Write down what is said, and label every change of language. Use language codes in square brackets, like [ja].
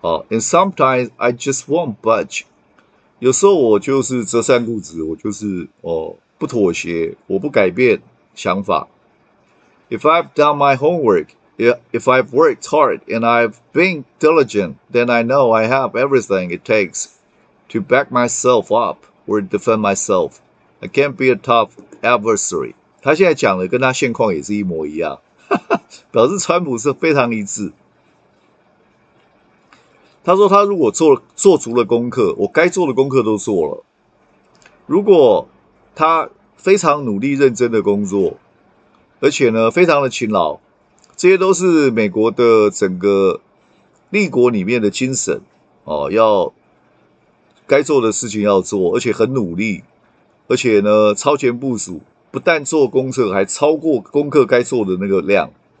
[en] And sometimes I just won't budge. [zh] 有时候我就是折扇固执，我就是不妥协，我不改变想法。 [en] If I've done my homework, if I've worked hard and I've been diligent, then I know I have everything it takes to back myself up or defend myself. I can't be a tough adversary. [zh] 他现在讲的跟他现况也是一模一样，表示川普是非常一致。他说他如果 做足了功课，我该做的功课都做了，如果他非常努力认真的工作，而且呢非常的勤劳，这些都是美国的整个立国里面的精神，要该做的事情要做，而且很努力，而且呢超前部署，不但做功课还超过功课该做的那个量，